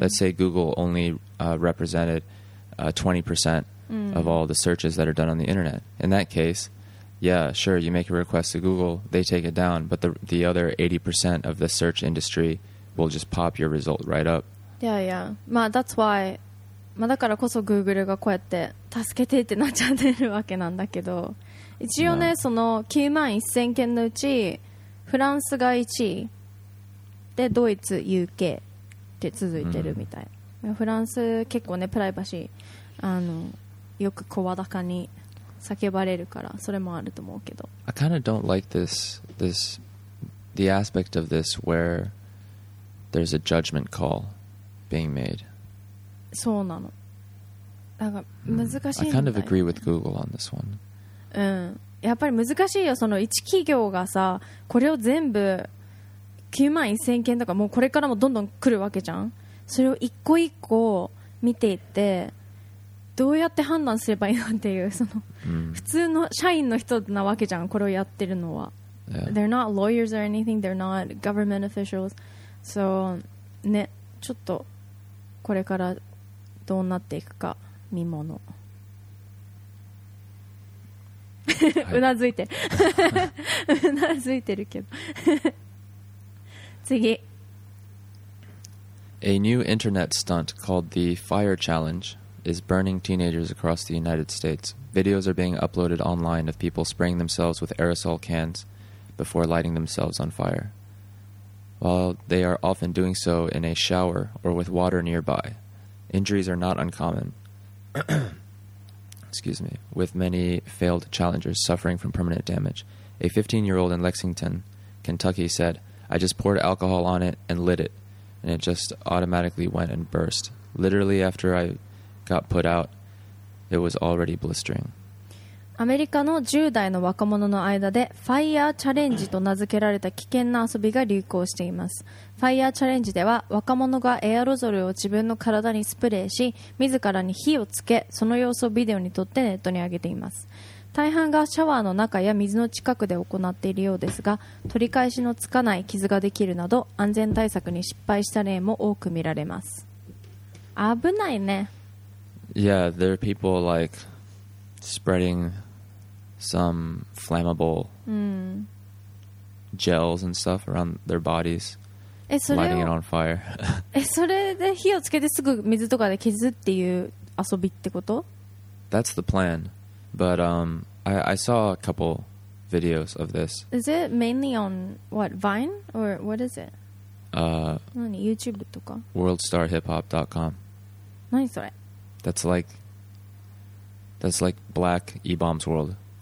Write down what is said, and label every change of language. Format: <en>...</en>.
<en>Let's say Google only represented 20%、mm. of all the searches that are done on the internet. In that case, yeah, sure, you make a request to Google, they take it down, but the other 80% of the search industry will just pop your result right up. Yeah, yeah.</en> <ja>まあ、</ja> <en>that's why...、</en> <ja>まあ、だからこそ Google がこうやって助けてってなっちゃってるわけなんだけど一応ね、その9万1000件のうちフランスが1位でドイツ、UK で続いてるみたい、うん、フランス結構ねプライバシーよく声高に叫ばれるからそれもあると思うけど</ja> <en>I kind of don't like this the aspect of this where there's a judgment call being made</en> <ja>そうなのなんか難しいみたい、</ja> <en>ね、I kind of agree with Google on this one</en> <ja>うん、やっぱり難しいよその一企業がさこれを全部9万1000件とかもうこれからもどんどん来るわけじゃんそれを一個一個見ていってどうやって判断すればいいなんていうその、 mm. 普通の社員の人なわけじゃんこれをやってるのは、</ja> <en>yeah. They're not lawyers or anything They're not government officials So</en> <ja>ねちょっとこれからどうなっていくか見ものはい、うなずいてうなずいてるけど次。</ja> <en>A new internet stunt called the Fire Challenge is burning teenagers across the United States. Videos are being uploaded online of people spraying themselves with aerosol cans before lighting themselves on fire, while they are often doing so in a shower or with water nearby. Injuries are not uncommon. Excuse me. With many failed challengers suffering from permanent damage. A 15-year-old in Lexington, Kentucky said, I just poured alcohol on it and lit it, and it just automatically went and burst. Literally after I got put out, it was already blistering.</en> <ja>アメリカの10代の若者の間でファイヤーチャレンジと名付けられた危険な遊びが流行しています。ファイヤーチャレンジでは若者がエアロゾルを自分の体にスプレーし自らに火をつけ、その様子をビデオに撮ってネットに上げています。大半がシャワーの中や水の近くで行っているようですが、取り返しのつかない傷ができるなど安全対策に失敗した例も多く見られます。危ないね。</ja> <en>Yeah, there are people like spreadingsome flammable gels and stuff around their bodies, lighting it on fire.</en> <ja>それで火をつけてすぐ水とかで消すっていう遊びってこと?</ja> <en>That's the plan. But I saw a couple videos of this. Is it mainly on what, Vine? Or what is it?</en> <ja>YouTube とか?</ja> <en>WorldStarHipHop.com.</en> <ja>何それ?</ja> <en>That's like Black E-Bomb's World.</en>